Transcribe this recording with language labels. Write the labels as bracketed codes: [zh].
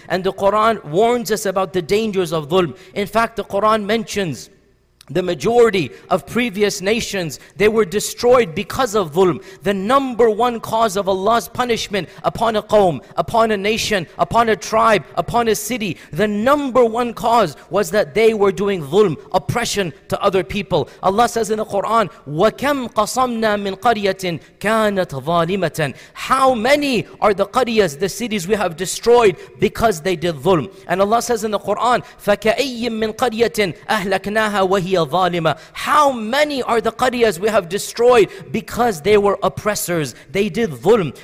[en] And the Quran warns us about the dangers of dhulm. In fact, the Quran mentions the majority of previous nations, they were destroyed because of dhulm. The number one cause of Allah's punishment upon a qawm, upon a nation, upon a tribe, upon a city, the number one cause was that they were doing dhulm, oppression to other people. Allah says in the Quran, [ar] وَكَمْ قَصَمْنَا مِنْ قَرْيَةٍ كَانَتْ ظَالِمَةً. [en] How many are the qaryas, the cities we have destroyed because they did dhulm? And Allah says in the Quran, [ar] فَكَأَيِّمْ مِنْ قَرْيَةٍ أَهْلَكْنَاهَا وَهِيَ. [en] How many are the qaryas we have destroyed because they were oppressors? They did dhulm.